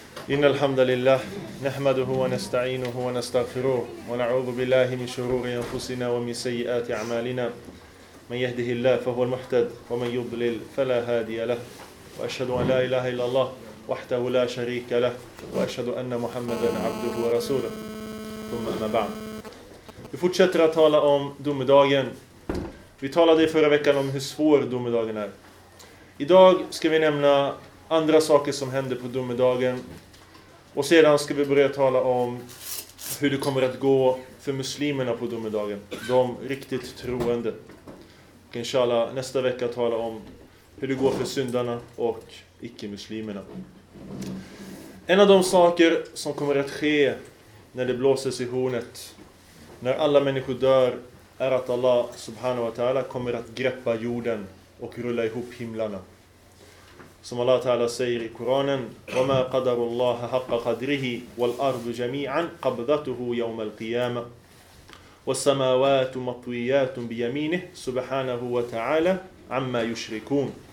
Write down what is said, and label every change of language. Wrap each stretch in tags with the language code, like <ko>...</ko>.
<ar>إن الحمد لله نحمده ونستعينه ونستغفره ونعوذ بالله من شرور أنفسنا ومن سيئات أعمالنا من يهده الله فهو المهتد ومن يضلل فلا هادي له وأشهد أن لا إله إلا الله وحده لا شريك له وأشهد أن محمدا عبده ورسوله ثم أما بعد.</ar> <sv>Vi fortsätter att tala om domedagen. Vi talade i förra veckan om hur svår domedagen är. Idag ska vi nämna andra saker som händer på domedagen. Och sedan ska vi börja tala om hur det kommer att gå för muslimerna på domedagen. De riktigt troende. Och inshallah nästa vecka tala om hur det går för syndarna och icke-muslimerna. En av de saker som kommer att ske när det blåses i hornet, när alla människor dör, är att Allah subhanahu wa ta'ala kommer att greppa jorden och rulla ihop himlarna. Som Allah ta'ala säger i Koranen:</sv> <ar>وَمَا قَدَرُ اللَّهَ حَقَّ قَدْرِهِ وَالْأَرْضُ جَمِيعًا قَبْضَتُهُ يَوْمَ الْقِيَامَةِ وَالسَّمَاوَاتُ مَطْوِيَّاتٌ بِيَمِينِهِ سُبْحَانَهُ وَتَعَالَى عَمَّا يُشْرِكُونَ.</ar>